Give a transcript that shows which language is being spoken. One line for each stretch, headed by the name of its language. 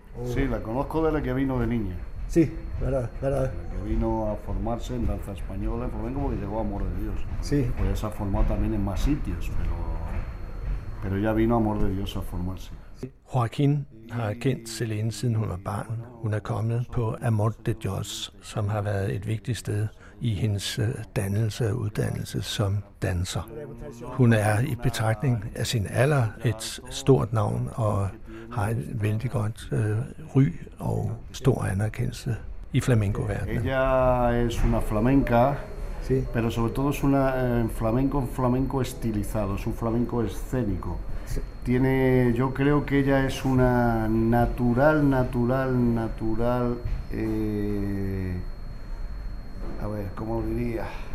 Spanish: Sí, la conozco de la que vino de niña. Sí, verdad. Que vino a formarse en danza española en flamenco porque llegó a Amor de Dios. Sí. Pues se ha formado también en más sitios, pero ya vino a Amor de Dios a formarse.
Danish: Joaquín har kendt Selene siden hun var barn. Hun er kommet på Amor de Dios, som har været et vigtigt sted i hendes dannelse og uddannelse som danser. Hun er i betragtning af sin alder et stort navn og har et vældig godt ry og stor anerkendelse i flamenco-verdenen.
Spanish: Ella es una flamenca, sí. Pero sobre todo es una flamenco estilizado, es un flamenco escénico. Tiene, yo creo que ella es una natural, a ver, ¿cómo diría?